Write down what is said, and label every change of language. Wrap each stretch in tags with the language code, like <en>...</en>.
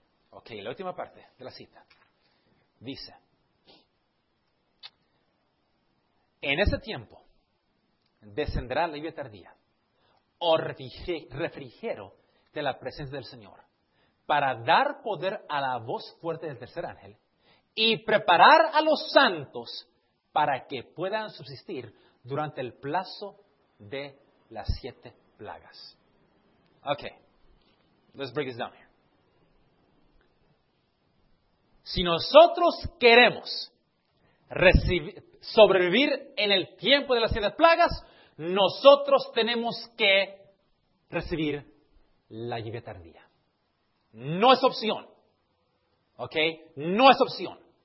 <es>Ok, la última parte de la cita dice: en ese tiempo descenderá la lluvia tardía, o refrigero de la presencia del Señor, para dar poder a la voz fuerte del tercer ángel y preparar a los santos para que puedan subsistir durante el plazo de las siete plagas.</es> <en>Ok, let's break this down here.</en> <es>Si nosotros queremos sobrevivir en el tiempo de las siete plagas, nosotros tenemos que recibir la lluvia tardía. No es opción. ¿Ok? No es opción.</es>